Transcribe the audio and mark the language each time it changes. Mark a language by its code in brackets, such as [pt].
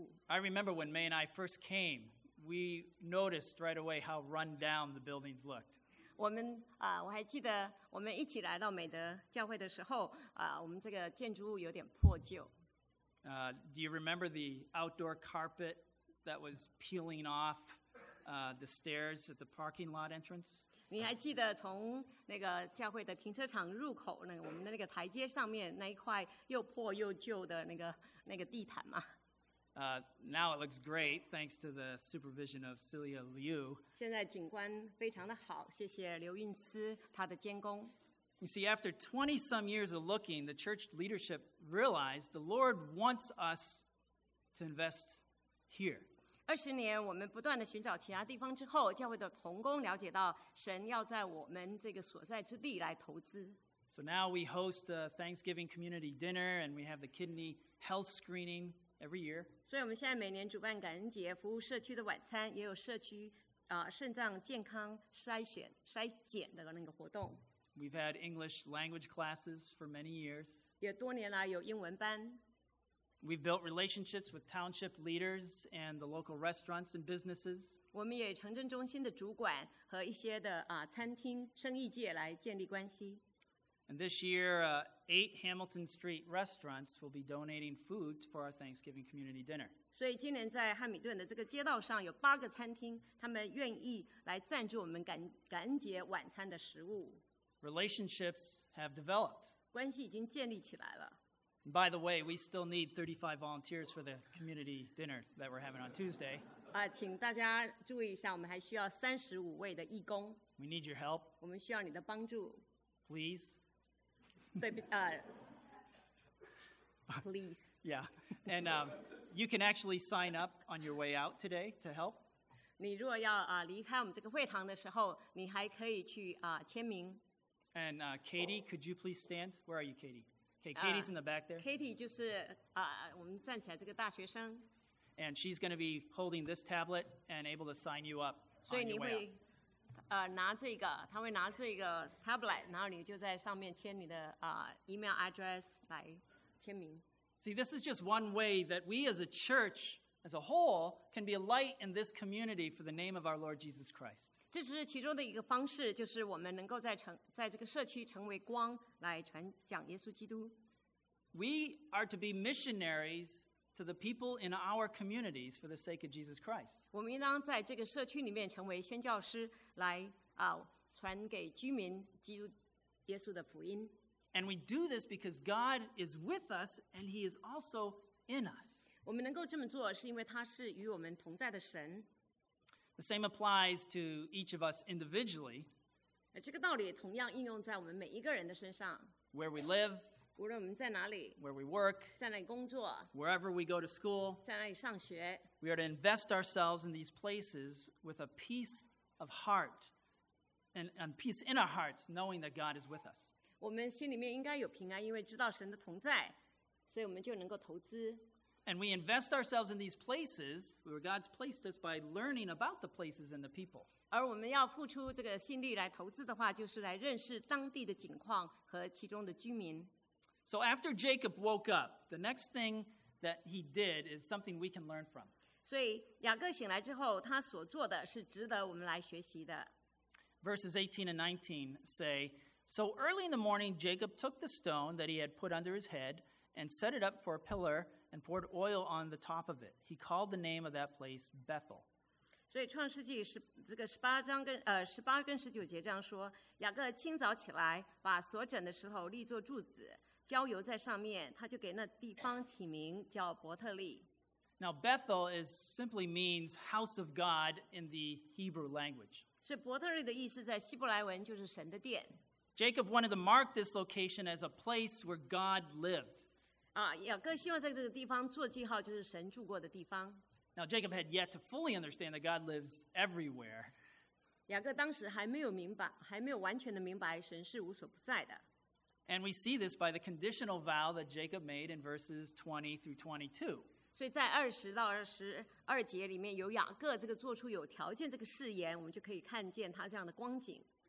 [en] I remember when May and I first came, we noticed right away how run down the buildings looked. [zh] 我们啊，我还记得我们一起来到美德教会的时候啊，我们这个建筑物有点破旧。 [en] Do you remember the outdoor carpet that was peeling off the stairs at the parking lot entrance? [zh] 你还记得从那个教会的停车场入口那个我们的那个台阶上面那一块又破又旧的那个地毯吗？ [en] Now it looks great thanks to the supervision of Celia Liu. [zh] 现在景观非常的好，谢谢刘运思他的监工。 [en] You see, after 20 some years of looking, the church leadership realized the Lord wants us to invest here. [zh] 二十年我们不断的寻找其他地方之后，教会的同工了解到神要在我们这个所在之地来投资。 [en] So now we host a Thanksgiving community dinner and we have the kidney health screening. Every year. [zh] 所以我们现在每年主办感恩节，服务社区的晚餐，也有社区肾脏健康筛检的那个活动。 [en] We've had English language classes for many years. [zh] 也多年来有英文班。 [en] We've built relationships with township leaders and the local restaurants and businesses. [zh] 我们也城镇中心的主管和一些的餐厅生意界来建立关系。 [en] And this year, eight Hamilton Street restaurants will be donating food for our Thanksgiving community dinner. [zh] 所以今年在汉米顿的这个街道上有八个餐厅，他们愿意来赞助我们感恩节晚餐的食物。 [en] Relationships have developed. [zh] 关系已经建立起来了。 [en] By the way, we still need 35 volunteers for the community dinner that we're having on Tuesday. [zh] 请大家注意一下，我们还需要35位的义工。 [en] We need your help. [zh] 我们需要你的帮助。 [en] Please. please. Yeah, and you can actually sign up on your way out today to help. [zh] 你如果要离开我们这个会堂的时候，你还可以去签名。 [en] And Katie, could you please stand? Where are you, Katie? Okay, Katie's in the back there. [zh] Katie 就是我们站起来这个大学生。 [en] And she's going to be holding this tablet and able to sign you up on your way out. [zh] 所以你会。拿这个，他会拿这个 tablet， 然后你就在上面签你的email address 来签名。 [en] See, this is just one way that we as a church, as a whole, can be a light in this community for the name of our Lord Jesus Christ. [zh] 这是其中的一个方式，就是我们能够在这个社区成为光，来传讲耶稣基督。 [en] We are to be missionaries. To the people in our communities for the sake of Jesus Christ. [zh] 我们应当在这个社区里面成为宣教师来传给居民基督耶稣的福音。 [en] And we do this because God is with us and he is also in us. [zh] 我们能够这么做是因为他是与我们同在的神。 [en] The same applies to each of us individually. [zh] 这个道理同样应用在我们每一个人的身上。 [en] Where we live. [zh] 无论我们在哪里 [en] where we work, [zh] 在哪里工作 [en] wherever we go to school, [zh] 在哪里上学 [en] we are to invest ourselves in these places with a peace of heart and peace in our hearts knowing that God is with us. [zh] 我们心里面应该有平安因为知道神的同在所以我们就能够投资 [en] And we invest ourselves in these places where God's placed us by learning about the places and the people. [zh] 而我们要付出这个心力来投资的话，就是来认识当地的景况和其中的居民。 [en] So after Jacob woke up, the next thing that he did is something we can learn from. [zh] 所以雅各醒来之后，他所做的是值得我们来学习的。 [en] Verses 18 and 19 say, So early in the morning, Jacob took the stone that he had put under his head and set it up for a pillar and poured oil on the top of it. He called the name of that place Bethel. [zh] 所以创世纪这个十八跟十九节这样说，雅各清早起来，把所枕的石头立作柱子，浇油在上面，他就给那地方起名叫伯特利。 [en] Now Bethel is simply means house of God in the Hebrew language. [zh] 所以伯特利的意思在希伯来文就是神的殿。 [en] Jacob wanted to mark this location as a place where God lived. [zh] 雅各希望在这个地方做记号，就是神住过的地方。 [en] Now Jacob had yet to fully understand that God lives everywhere. [zh] 雅各当时还没有完全的明白神是无所不在的。 [en] And we see this by the conditional vow that Jacob made in verses 20 through 22. [zh] 所以在二十到二十二节里面，有雅各这个做出有条件这个誓言，我们就可以看见他这样的光景。